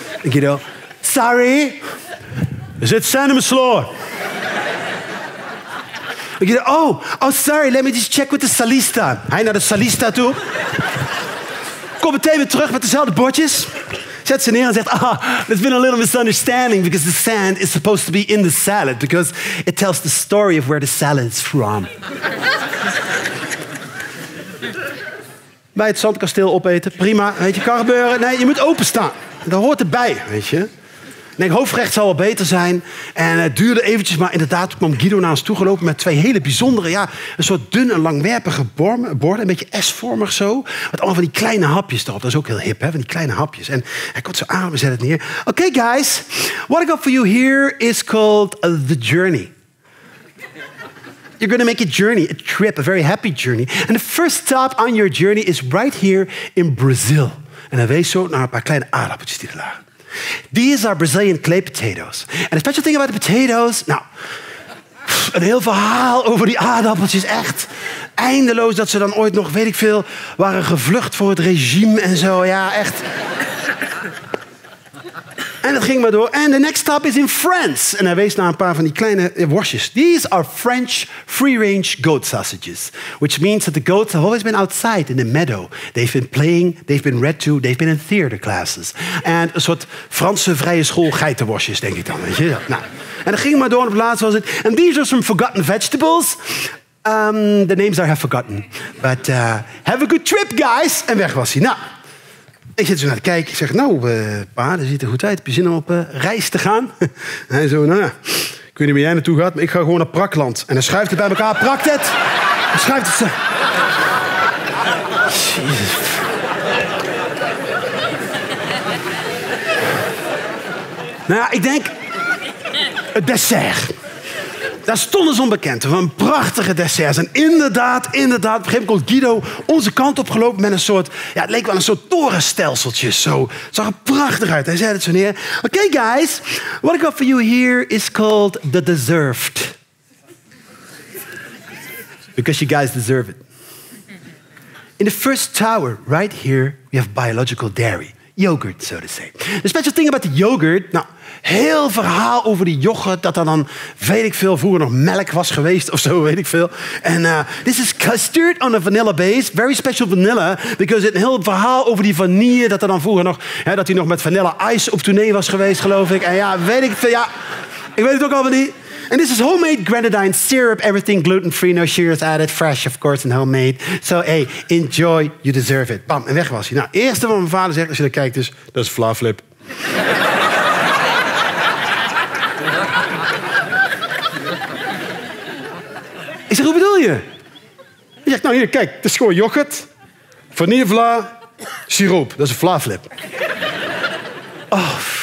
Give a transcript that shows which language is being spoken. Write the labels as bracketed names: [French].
[Dutch] Guido. Sorry. Er zit zand in mijn slaw. [English] Guido. Oh, sorry. Let me just check with the salista. [Dutch] Hij naar de salista toe. Kom meteen weer terug met dezelfde bordjes. Zet ze neer en zegt, [English] ah, there's been a little misunderstanding because the sand is supposed to be in the salad because it tells the story of where the salad is from. [Dutch] Bij het zandkasteel opeten, prima, weet je, kan gebeuren. Nee, je moet openstaan. Dat hoort erbij, weet je. Nee, hoofdgerecht zou wel beter zijn. En het duurde eventjes, maar inderdaad kwam Guido naar ons toegelopen met 2 hele bijzondere, ja, een soort dun en langwerpige borden. Een beetje S-vormig zo. Met allemaal van die kleine hapjes erop. Dat is ook heel hip, hè, van die kleine hapjes. En hij komt zo aan, we zetten het neer. [English] Okay, guys, what I got for you here is called The Journey. You're going to make a journey, a trip, a very happy journey. And the first stop on your journey is right here in Brazil. [Dutch] En hij wees zo naar een paar kleine aardappeltjes die er lagen. [English] These are Brazilian clay potatoes. And a special thing about the potatoes... [Dutch] Nou, een heel verhaal over die aardappeltjes. Echt eindeloos dat ze dan ooit nog, weet ik veel, waren gevlucht voor het regime en zo. Ja, echt. En het ging maar door. [English] And the next stop is in France. [Dutch] En hij wees naar een paar van die kleine worstjes. [English] These are French free-range goat sausages. Which means that the goats have always been outside in the meadow. They've been playing, they've been read to, they've been in theater classes. [Dutch] And een soort Franse vrije school geitenworstjes, denk ik dan. Weet je? Nou. En het ging maar door. En op het laatste was het. [English] And these are some forgotten vegetables. The names I have forgotten. But have a good trip, guys. [Dutch] En weg was hij. Nou. Ik zit zo naar te kijken. Ik zeg, nou, pa, dat ziet er goed uit. Heb je zin om op reis te gaan? Hij zo, nou ja, Ik weet niet waar jij naartoe gaat, maar ik ga gewoon naar Prakland. En dan schuift het bij elkaar. Prakt het! Dan schuift het ze. Jezus. Nou ja, ik denk... Het dessert. Daar stonden ze onbekend. Van prachtige desserts. En inderdaad, inderdaad. Op een gegeven moment komt Guido onze kant op gelopen met een soort... Ja, het leek wel een soort torenstelseltje. Zo. Het zag er prachtig uit. Hij zei het zo neer. Oké, [English] okay, guys. What I got for you here is called the deserved. Because you guys deserve it. In the first tower, right here, we have biological dairy. Yogurt, so to say. The special thing about the yogurt... [Dutch] Nou, heel verhaal over die yoghurt, dat er dan, weet ik veel, vroeger nog melk was geweest of zo, weet ik veel. En [English] this is custard on a vanilla base, very special vanilla, because it's a [Dutch] heel verhaal over die vanille, dat er dan vroeger nog, hè, dat hij nog met vanilla ice op tournee was geweest, geloof ik. En ja, weet ik veel, ja, ik weet het ook allemaal niet. [English] And this is homemade grenadine syrup, everything gluten-free, no sugars added, fresh, of course, and homemade. So, hey, enjoy, you deserve it. [Dutch] Bam, en weg was hij. Nou, eerste wat mijn vader zegt, als je dan kijkt, is, dat is flaflip. Ik zeg, hoe bedoel je? Hij zegt, nou hier, kijk, het is gewoon yoghurt, vanillevla, siroop. Dat is een flaflip. Oh.